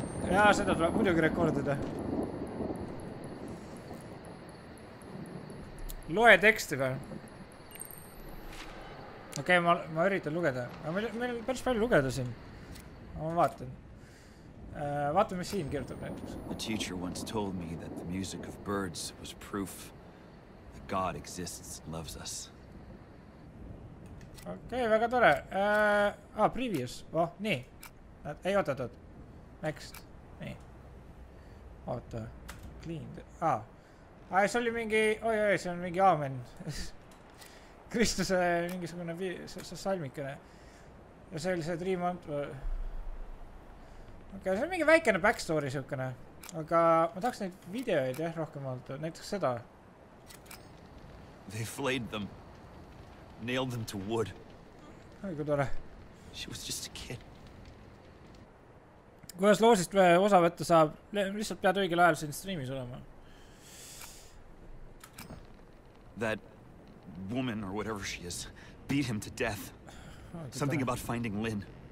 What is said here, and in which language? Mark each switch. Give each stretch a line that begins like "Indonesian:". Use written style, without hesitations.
Estonian: Jaa, seda tuleb muidugi rekordida. Loe teksti peal. Okei, ma üritan lugeda. Meil on päris palju lugeda siin. Ma vaatan. Vaatan, mis siin kirjutab näiteks.
English: A teacher once told me that the music of birds was proof that God exists and loves us.
Estonian: Okei, väga tore. Previous. Oh, nii. Ei, ootatud. Next. Nii. Oota. Clean. See oli mingi... Oi, see on mingi aamen. Kristuse mingisugune salmikene. Ja see oli see Dream Ant... Okei, see on mingi väikene backstory siukene. Aga ma tahaks neid videoid rohkem olta. Näiteks seda.
English: They flayed them. Nailed them to wood.
Estonian: Aiku tore.
English: She was just a kid.
Estonian: Kuidas loosist me osa võtta saab, lihtsalt pead õigel ajal siin streamis olema.
English: That woman or whatever she is beat him to death. Something about finding Lynn.